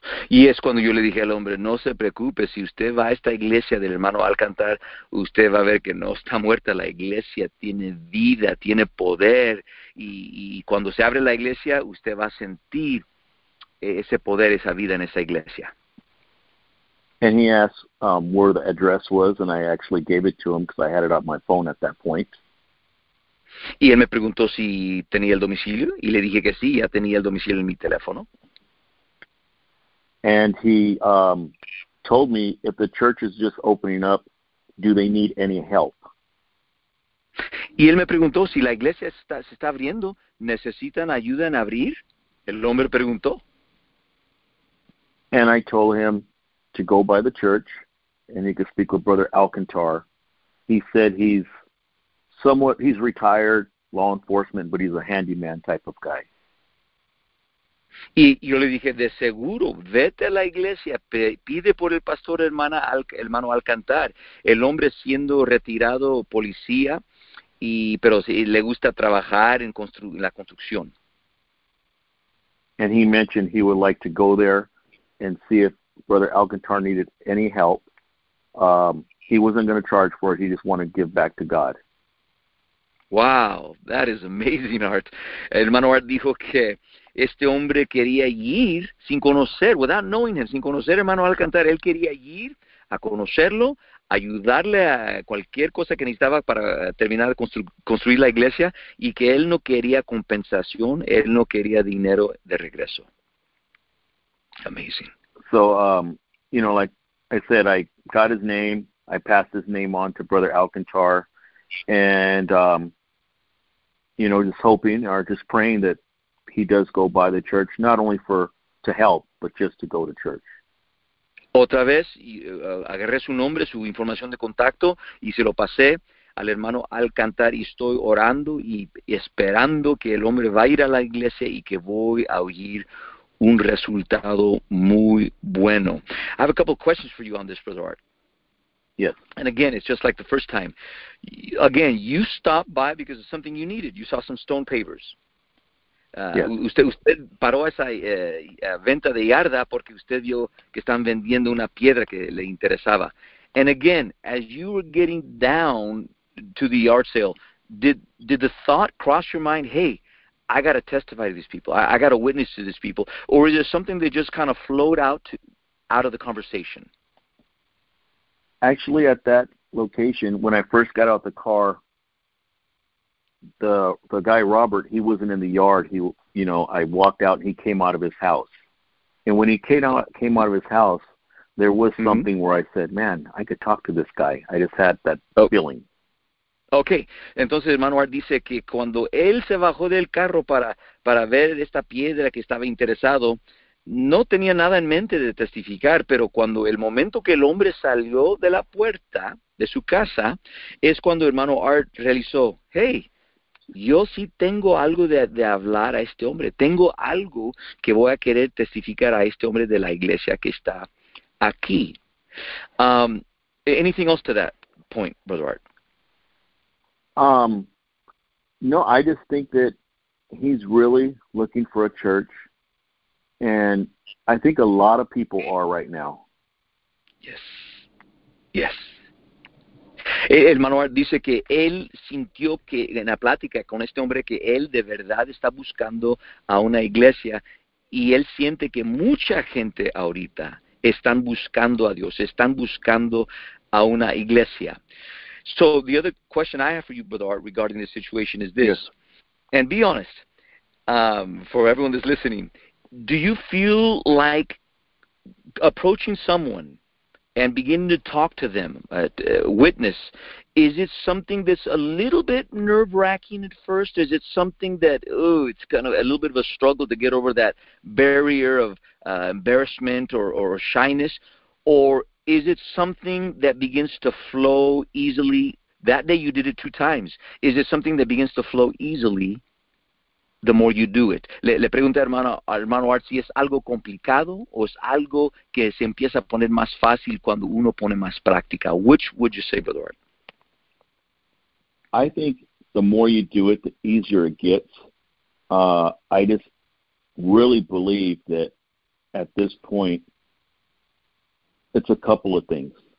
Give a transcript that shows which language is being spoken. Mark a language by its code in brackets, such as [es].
[es] Y es cuando yo le dije al hombre, no se preocupe, si usted va a esta iglesia del hermano Alcantar, usted va a ver que no está muerta. La iglesia tiene vida, tiene poder. Y cuando se abre la iglesia, usted va a sentir ese poder, esa vida en esa iglesia. [en] And he asked where the address was, and I actually gave it to him because I had it on my phone at that point. [es] Y él me preguntó si tenía el domicilio, y le dije que sí, ya tenía el domicilio en mi teléfono. [en] And he told me, if the church is just opening up, do they need any help? [es] Y él me preguntó, si la iglesia se está abriendo, ¿necesitan ayuda en abrir? El hombre preguntó. [en] And I told him to go by the church, and he could speak with Brother Alcantar. He said he's retired, law enforcement, but he's a handyman type of guy. [es] Y yo le dije, de seguro, vete a la iglesia, pide por el pastor hermano Alcantar. El hombre siendo retirado policía, pero sí, le gusta trabajar en la construcción. [en] And he mentioned he would like to go there and see if Brother Alcantar needed any help. He wasn't going to charge for it. He just wanted to give back to God. Wow, that is amazing, Art. [es] Hermano Art dijo que este hombre quería ir sin conocer, [en] without knowing him, [es] sin conocer a hermano Alcantar. Él quería ir a conocerlo, ayudarle a cualquier cosa que necesitaba para terminar de construir la iglesia, y que él no quería compensación, él no quería dinero de regreso. [en] Amazing. So, you know, like I said, I got his name, I passed his name on to Brother Alcantar, and, you know, just hoping or just praying that he does go by the church, not only to help, but just to go to church. [es] Otra vez, agarré su nombre, su información de contacto, y se lo pasé al hermano Alcantar, y estoy orando y esperando que el hombre va a ir a la iglesia y que voy a oír un resultado muy bueno. [en] I have a couple of questions for you on this, Brother Art. Yes. And again, it's just like the first time. Again, you stopped by because of something you needed. You saw some stone pavers. Yes. [es] Usted paró esa venta de yarda porque usted vio que están vendiendo una piedra que le interesaba. [en] And again, as you were getting down to the yard sale, did the thought cross your mind, hey, I got to testify to these people, I got to witness to these people, or is there something that just kind of flowed out of the conversation? Actually, at that location, when I first got out the car, the guy Robert, he wasn't in the yard. He, you know, I walked out and he came out of his house. And when he came out of his house, there was something where I said, man, I could talk to this guy. I just had that feeling. Okay. [es] Entonces, Manuel dice que cuando él se bajó del carro para ver esta piedra que estaba interesado, no tenía nada en mente de testificar, pero cuando el momento que el hombre salió de la puerta de su casa, es cuando hermano Art realizó, hey, yo sí tengo algo de hablar a este hombre, tengo algo que voy a querer testificar a este hombre de la iglesia que está aquí. [en] Anything else to that point, Brother Art? No, I just think that he's really looking for a church. And I think a lot of people are right now. Yes. Yes. [es] El manual dice que él sintió que en la plática con este hombre que él de verdad está buscando a una iglesia, y él siente que mucha gente ahorita están buscando a Dios, están buscando a una iglesia. [en] So the other question I have for you, Brother Art, regarding the situation is this. Yes. And be honest, for everyone that's listening, do you feel like approaching someone and beginning to talk to them, witness, is it something that's a little bit nerve-wracking at first? Is it something that, it's kind of a little bit of a struggle to get over that barrier of embarrassment or shyness? Or is it something that begins to flow easily? That day you did it two times. Is it something that begins to flow easily the more you do it? [es] Le pregunté a hermano Art si es algo complicado o es algo que se empieza a poner más fácil cuando uno pone más práctica. [en] Which would you say, Brother Art? I think the more you do it, the easier it gets. I just really believe that at this point, it's a couple of things.